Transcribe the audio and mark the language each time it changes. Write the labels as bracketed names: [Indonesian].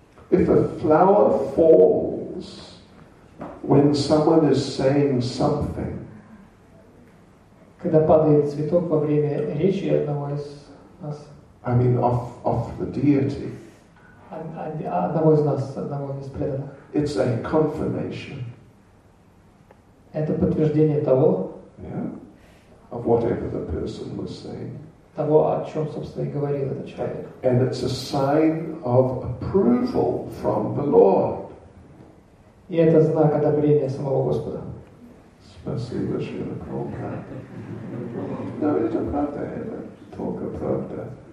[English] If a flower falls when someone is saying something. [Russian] Когда падает цветок во время речи одного из нас. [English] I mean of the deity. [Russian] Одного из нас, одного из преданных. [English] It's a confirmation. [Russian] Это подтверждение того. [English] Yeah. Of whatever the person was saying. [Russian] Того, о чем, собственно, и говорил этот человек. [English] And it's a sign of approval from the Lord. [Russian] И это знак одобрения самого Господа. Спасибо, Шрила Прабхупада. [English] No, [Russian] это правда, это только правда.